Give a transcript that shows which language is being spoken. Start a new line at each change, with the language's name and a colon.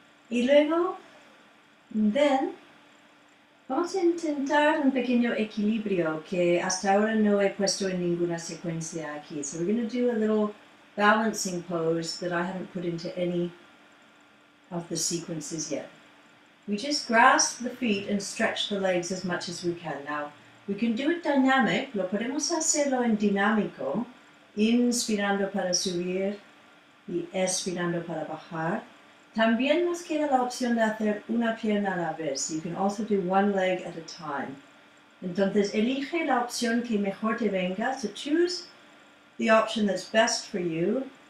Spanish: Y luego, then, vamos a intentar un pequeño equilibrio que hasta ahora no he puesto en ninguna secuencia aquí.
English: So we're going to do a little balancing pose that I haven't put into any of the sequences yet. We just grasp the feet and stretch the legs as much as we can. Now, we can do it dynamic,
Spanish: lo podemos hacerlo en dinámico, inspirando para subir y expirando para bajar. También nos queda la opción de hacer una pierna a la vez.
English: You can also do one leg at a time.
Spanish: Entonces, elige la opción que mejor te venga.
English: So choose the option that's best for you.